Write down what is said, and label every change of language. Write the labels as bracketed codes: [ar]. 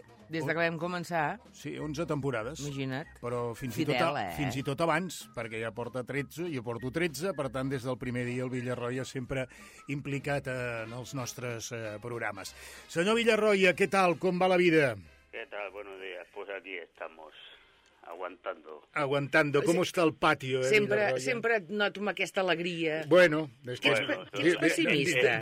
[ca] Des de que vam començar. Sí, 11 temporades. Imagina't. Però fins, fidel, i tot, fins i tot abans, perquè ja porta 13, jo porto 13, per tant, des del primer dia el Villarroya sempre implicat en els nostres programes. Senyor Villarroya, què tal? Com va la vida? Què tal? [es] Buenos días. Pues aquí estamos, aguantando. Aguantando. ¿Cómo está el patio, [ca] sempre, Villarroya? Sempre noto amb aquesta alegria. Bueno. Que és, bueno, que és pessimista.